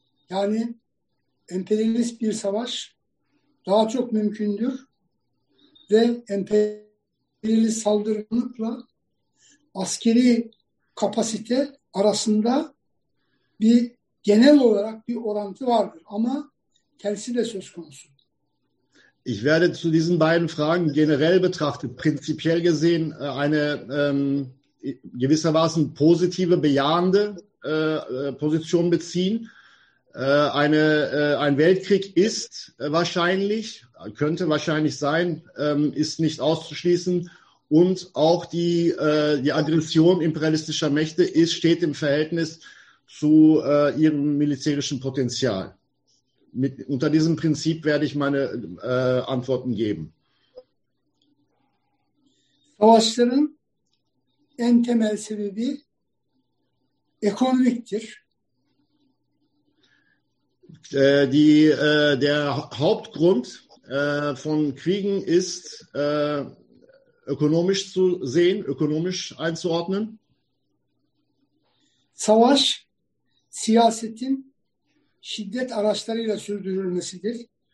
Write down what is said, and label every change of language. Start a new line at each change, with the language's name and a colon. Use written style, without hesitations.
Turkish: Yani emperyalist bir savaş daha çok mümkündür. Ve emperyalist saldırganlıkla askeri kapasite arasında bir genel olarak bir orantı vardır. Ama tersi de söz konusu.
German: Ich werde zu diesen beiden Fragen generell betrachtet, prinzipiell gesehen, eine gewissermaßen positive, bejahende Position beziehen. Ein Weltkrieg ist wahrscheinlich, könnte wahrscheinlich sein, ist nicht auszuschließen. Und auch die Aggression imperialistischer Mächte steht im Verhältnis zu ihrem militärischen Potenzial. Unter diesem Prinzip werde ich meine Antworten geben.
Turkish: Savaşların en temel sebebi ekonomiktir.
German: Der Hauptgrund von Kriegen ist ökonomisch zu sehen, ökonomisch einzuordnen.
Turkish: Savaş siyasetin şiddet araçlarıyla sürdürülmesidir.